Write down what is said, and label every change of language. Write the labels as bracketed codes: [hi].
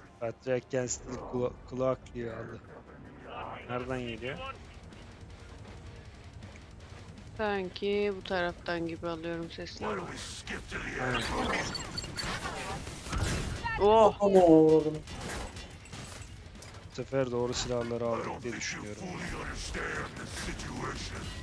[tr] Patrick kendisi de kulak diyor aldı. Nereden geliyor? Sanki bu taraftan gibi alıyorum sesini. [en] Why don't we skip to the end? Oh! [tr] Bu sefer doğru silahları aldık diye düşünüyorum. [en] I don't think you fully understand the situation.